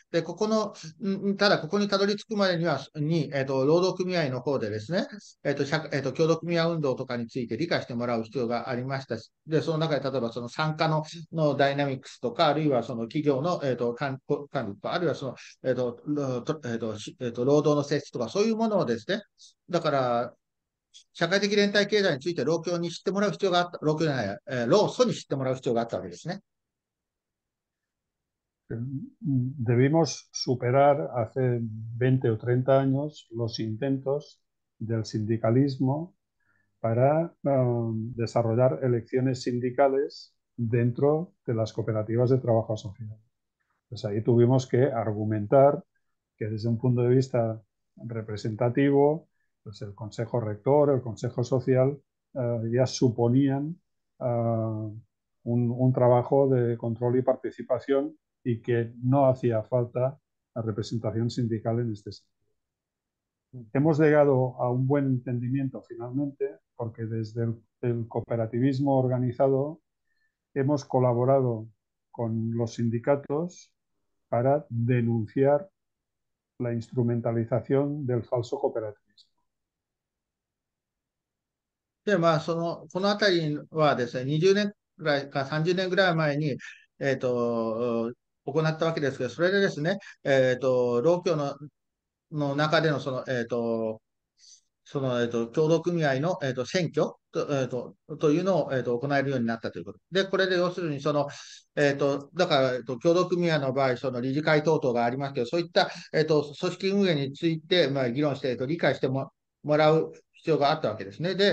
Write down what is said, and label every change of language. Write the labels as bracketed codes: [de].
[ja] で、ここの、ただここにたどり着くまでには、労働組合の方でですね、協同組合運動とかについて理解してもらう必要がありましたし、で、その中で例えばその参加のダイナミックスとか、あるいはその企業の、管理とか、あるいはその、労働の性質とか、そういうものをですね、だから、社会的連帯経済について労協に知ってもらう必要があった、労協じゃない、労組に知ってもらう必要があったわけですね。 [es] Debimos superar hace 20 o 30 años los intentos del sindicalismo para desarrollar elecciones sindicales dentro de las cooperativas de trabajo asociado. Pues ahí tuvimos que argumentar que desde un punto de vista representativo, pues el Consejo Rector, el Consejo Social, ya suponían un trabajo de control y participación y que no hacía falta la representación sindical en este sentido. Hemos llegado a un buen entendimiento finalmente, porque desde el cooperativismo organizado hemos colaborado con los sindicatos para denunciar la instrumentalización del falso cooperativismo. [ja] で、まあ、このあたりはですね、20年ぐらいか30年ぐらい前に、行ったわけですけど、それでですね、労協の中での、協同組合の、選挙というのを、行えるようになったということで、これで要するにだから、協同組合の場合、その理事会等々がありますけど、そういった、組織運営について、まあ、議論して、理解してもらう必要があったわけですね。